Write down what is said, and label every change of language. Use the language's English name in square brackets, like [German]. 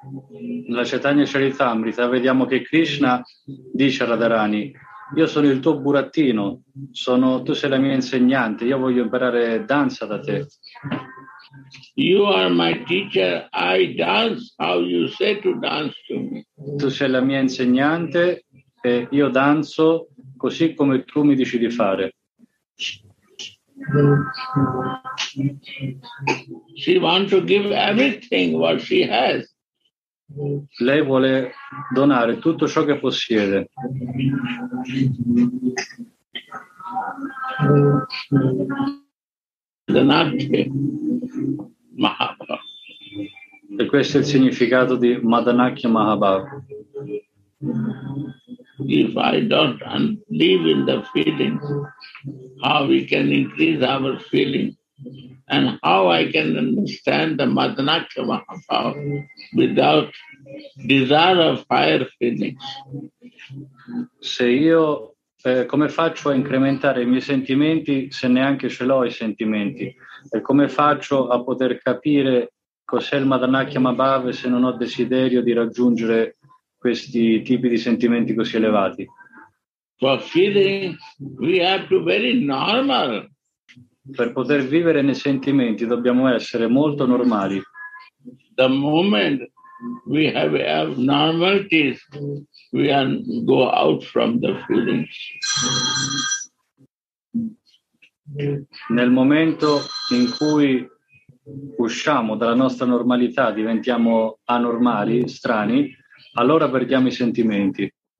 [Italian] Nella Chaitanya Charitamrita vediamo che Krishna dice a Radharani: io sono il tuo burattino, tu sei la mia insegnante, io voglio imparare danza da te. [English] You are my teacher, I dance how you say to dance to me. [Italian] Tu sei la mia insegnante e io danzo così come tu mi dici di fare. [English] She wants to give everything what she has. [Italian] Lei vuole donare tutto ciò che possiede. Madanati Mahabhava. E questo è il significato di Madanakya Mahabhava. [English] If I don't live in the feelings, how we can increase our feelings? And how I can understand the Madanakya Mahabhava without desire of higher feelings? [Italian] Se io come faccio a incrementare i miei sentimenti se neanche ce l'ho i sentimenti? E come faccio a poter capire cos'è il Madanakya Mahabhava se non ho desiderio di raggiungere questi tipi di sentimenti così elevati? [English] For feeling we have to be very normal. [Italian] Per poter vivere nei sentimenti dobbiamo essere molto normali. [English] The moment we have normality, we can go out from the feelings. [Italian] Nel momento in cui usciamo dalla nostra normalità, diventiamo anormali, strani, allora perdiamo i sentimenti.